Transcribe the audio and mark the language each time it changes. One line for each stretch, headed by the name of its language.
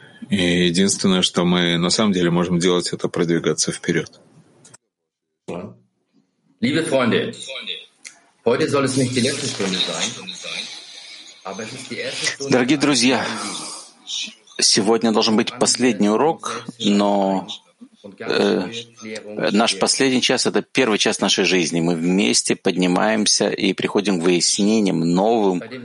Russian: И единственное, что мы на самом деле можем делать, это продвигаться вперед.
German: Liebe Freunde, heute soll es nicht die letzte Stunde sein, aber es ist die erste Stunde.
Russian: Дорогие друзья, сегодня должен быть последний урок, но наш последний час — это первый час нашей жизни. Мы вместе поднимаемся и приходим к выяснениям новым.